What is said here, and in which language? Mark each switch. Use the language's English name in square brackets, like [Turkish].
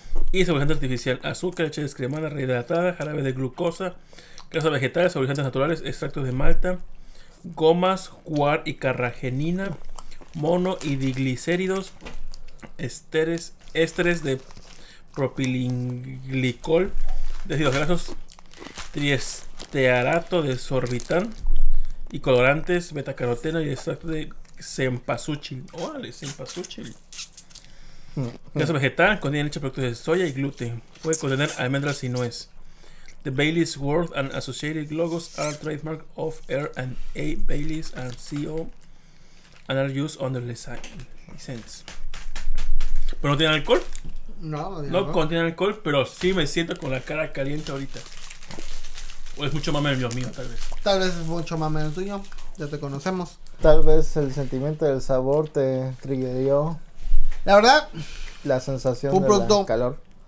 [Spanish] Y saborizante artificial, azúcar, leche descremada, rehidratada, jarabe de glucosa, grasa vegetal, saborizantes naturales, extractos de malta, gomas, guar y carragenina, mono y diglicéridos, ésteres de propilinglicol, ácidos grasos, triestearato de sorbitán y colorantes, betacaroteno y extracto de cempasúchil. ¡Órale, cempasúchil! Grasa vegetal, contiene leche, productos de soya y gluten. Puede contener almendras y nuez. [English] The Baileys World and Associated Logos are trademark of R&A Baileys and CO and are used under license. [Spanish] ¿Pero no tiene alcohol? No, no contiene alcohol, pero sí me siento con la cara caliente ahorita. O es mucho mame el mío, tal vez. Tal vez es mucho mame el tuyo, ya te conocemos. Tal vez el sentimiento del sabor te triggerió. La verdad, la sensación un producto, de calor.